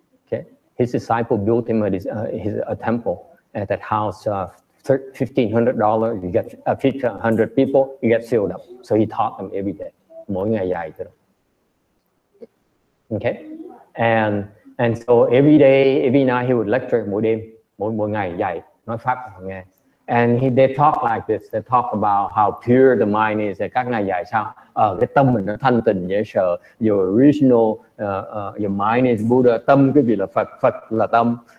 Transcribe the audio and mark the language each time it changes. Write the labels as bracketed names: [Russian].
[English] Okay, his disciple built him a temple at that house of $1,500, you get 1,500 people, you get filled up. So he taught them every day. [Vietnamese] Mỗi ngày dạy cho [English] them. Okay? And so every day, every night, he would lecture [Vietnamese] mỗi đêm, mỗi ngày dạy, nói pháp cho họ nghe. [English] And they talk like this, they talk about how pure the mind is. [Vietnamese] Các ngài dạy sao? Cái tâm mình nó thanh tịnh, dễ sợ. [English] Your original, your mind is Buddha. [Vietnamese] Tâm cái gì là Phật, Phật là tâm.